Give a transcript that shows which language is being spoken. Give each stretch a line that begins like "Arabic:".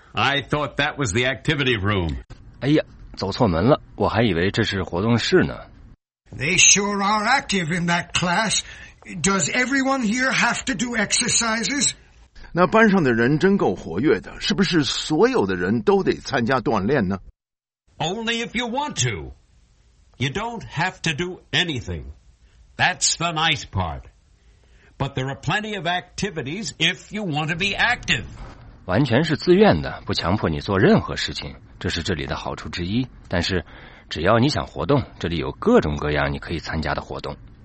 English: I thought that was the activity room.
Chinese: 哎呀，走错门了，我还以为这是活动室呢。
English: They sure are active in that class. Does everyone here have to do exercises?
Chinese: 那班上的人真够活跃的，是不是所有的人都得参加锻炼呢？
English: Only if you want to. You don't have to do anything. That's the nice part. But there are plenty of activities if you want to be active.
Chinese: 完全是自愿的，不强迫你做任何事情，这是这里的好处之一。但是，只要你想活动，这里有各种各样你可以参加的活动。